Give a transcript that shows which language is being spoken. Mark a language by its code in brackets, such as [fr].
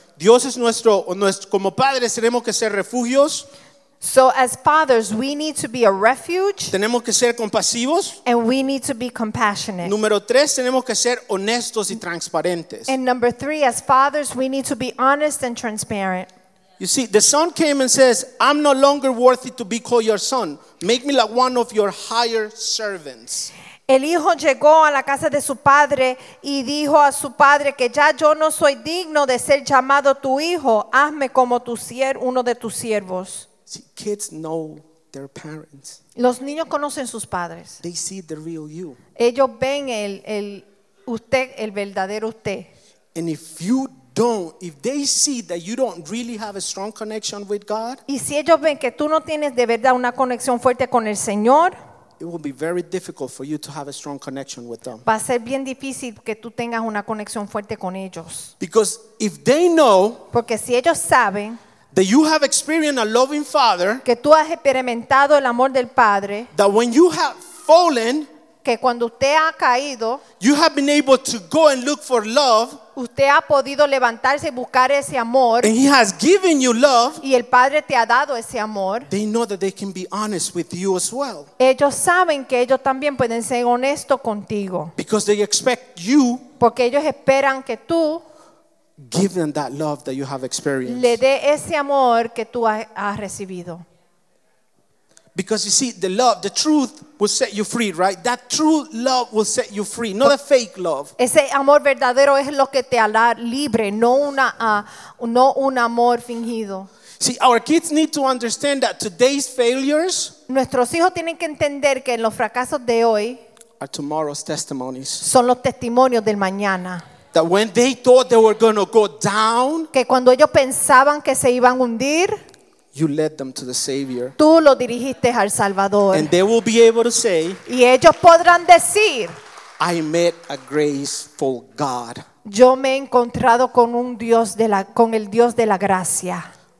[es] Dios es nuestro como padres tenemos que ser refugios. [en] So as fathers, we need to be a refuge. [es] Tenemos que ser compasivos. [en] And we need to be compassionate. [es] Número tres, tenemos que ser honestos y transparentes. [en] And number three, as fathers, we need to be honest and transparent. You see, the son came and says, "I'm no longer worthy to be called your son. Make me like one of your hired servants." [es] El hijo llegó a la casa de su padre y dijo a su padre que ya yo no soy digno de ser llamado tu hijo. Hazme como uno de tus siervos. [en] See, kids know their parents. [es] Los niños conocen sus padres. [en] They see the real you. [es] Ellos ven el usted, el verdadero usted. [en] And if you don't, if they see that you don't really have a strong connection with God, [es] y si ellos ven que tú no tienes de verdad una conexión fuerte con el Señor, [en] it will be very difficult for you to have a strong connection with them. [es] Va a ser bien difícil que tú tengas una conexión fuerte con ellos. [en] Because if they know, [es] porque si ellos saben, [en] that you have experienced a loving father, [es] que tú has experimentado el amor del padre, [en] that when you have fallen, [es] que cuando usted ha caído, [en] you have been able to go and look for love, [es] usted ha podido levantarse y buscar ese amor, [en] and he has given you love, [es] y el padre te ha dado ese amor, [en] they know that they can be honest with you as well. [es] Ellos saben que ellos también pueden ser honestos contigo. [en] Because they expect you, [es] porque ellos esperan que tú, [en] give them that love that you have experienced. [es] Le dé ese amor que tú has recibido. [en] Because you see, the love, the truth will set you free, right? That true love will set you free, not a fake love. [es] Ese amor verdadero es lo que te hará libre, no un amor fingido. [en] See, our kids need to understand that today's failures, [es] nuestros hijos tienen que entender que los fracasos de hoy, [en] are tomorrow's testimonies. [es] Son los testimonios del mañana. [en] That when they thought they were going to go down, [es] que cuando ellos pensaban que se iban a hundir, [en] you led them to the Savior. [es] Tú lo dirigiste al Salvador. [en] And they will be able to say, [es] y ellos podrán decir, [en] I met a graceful God. [es] Yo me he encontrado con un Dios de la, con el Dios de la gracia.